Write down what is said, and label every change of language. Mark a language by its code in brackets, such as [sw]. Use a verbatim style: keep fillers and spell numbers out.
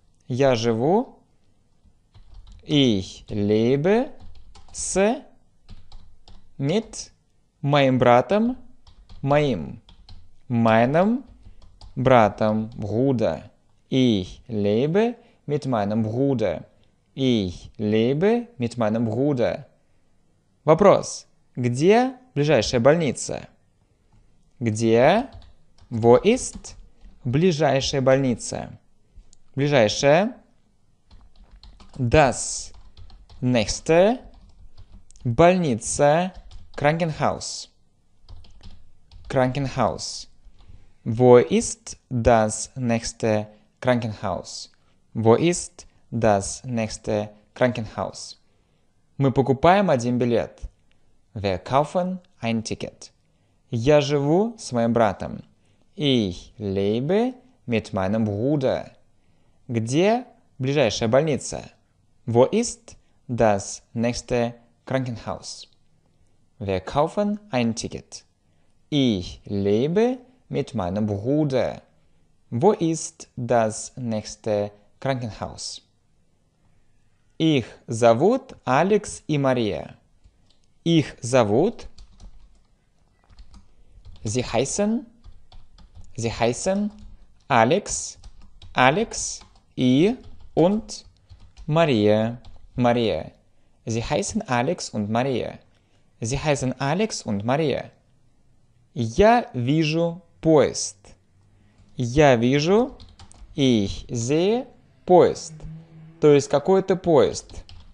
[ru] Я живу, [de] ich lebe [ru] с, mit, моим братом, моим, [de] meinem [ru] братом, [de] Bruder. Ich lebe mit meinem Bruder. Ich lebe mit meinem Bruder. [ru] Вопрос. Где ближайшая больница? Где, [de] wo ist, [ru] ближайшая больница? Ближайшая. [de] Das nächste, [ru] больница, [de] Krankenhaus. Krankenhaus. Wo ist das nächste Krankenhaus? Wo ist das nächste Krankenhaus? [ru] Мы покупаем один билет. [de] Wir kaufen ein Ticket. [ru] Я живу с моим братом. [de] Ich lebe mit meinem Bruder. [ru] Где ближайшая больница? [de] Wo ist das nächste Krankenhaus? Wir kaufen ein Ticket. Ich lebe mit meinem Bruder. Wo ist das nächste Krankenhaus? [ru] Их зовут Алекс и Мария. Их зовут. [de] Sie heißen. Sie heißen Alex, Alex и und [ru] Мария, Мария. [de] Sie heißen Alex und Maria. Sie heißen Alex und Maria. [ru] Я вижу поезд. Я вижу, [de] ich sehe [ru] поезд, то есть какой-то поезд.